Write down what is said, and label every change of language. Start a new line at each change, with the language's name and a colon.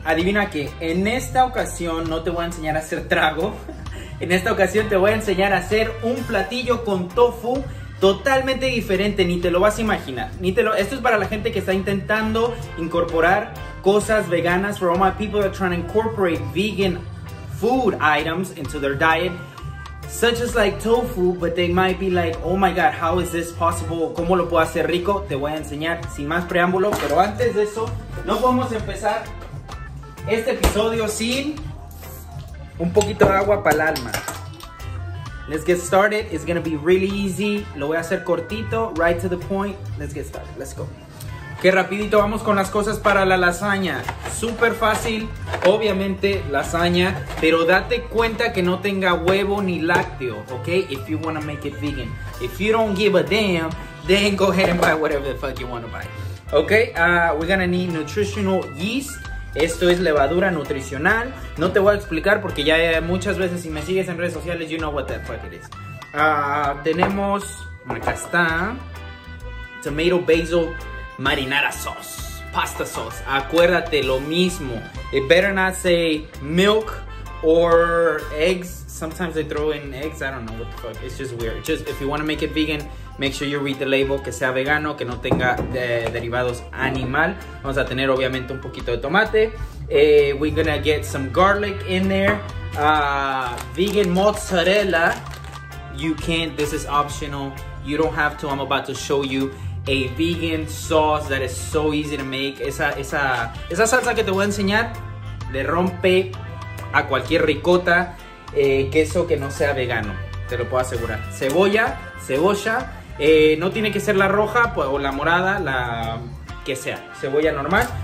Spanish: Adivina que en esta ocasión no te voy a enseñar a hacer trago. En esta ocasión te voy a enseñar a hacer un platillo con tofu totalmente diferente. Ni te lo vas a imaginar. Esto es para la gente que está intentando incorporar cosas veganas.
English: For all my people that are trying to incorporate vegan food items into their diet. Such as like tofu, but they might be like, oh my God, how is this possible?
Spanish: ¿Cómo lo puedo hacer rico? Te voy a enseñar sin más preámbulo. Pero antes de eso, no podemos empezar este episodio sin un poquito de agua para el alma.
English: Let's get started. It's going to be really easy.
Spanish: Lo voy a hacer cortito,
English: right to the point. Let's get started. Let's go.
Spanish: Qué rapidito vamos con las cosas para la lasaña. Súper fácil, obviamente lasaña, pero date cuenta que no tenga huevo ni lácteo, ¿ok?
English: If you want to make it vegan. If you don't give a damn, then go ahead and buy whatever the fuck you want to buy. ¿Ok? We're going to need nutritional yeast.
Spanish: Esto es levadura nutricional. No te voy a explicar porque ya muchas veces si me sigues en redes sociales,
English: you know what the fuck it is.
Spanish: Tenemos, acá está, tomato basil.
English: Marinara sauce, pasta sauce.
Spanish: Acuérdate, lo mismo.
English: It better not say milk or eggs. Sometimes they throw in eggs. I don't know what the fuck. It's just weird. Just if you want to make it vegan, make sure you read the label.
Spanish: Que sea vegano, que no tenga derivados animal. Vamos a tener, obviamente, un poquito de tomate.
English: We're gonna get some garlic in there. Vegan mozzarella. You can't. This is optional. You don't have to. I'm about to show you a vegan sauce that is so easy to make.
Spanish: Esa salsa que te voy a enseñar le rompe a cualquier ricota queso que no sea vegano, te lo puedo asegurar. Cebolla, no tiene que ser la roja o la morada, la que sea, cebolla normal.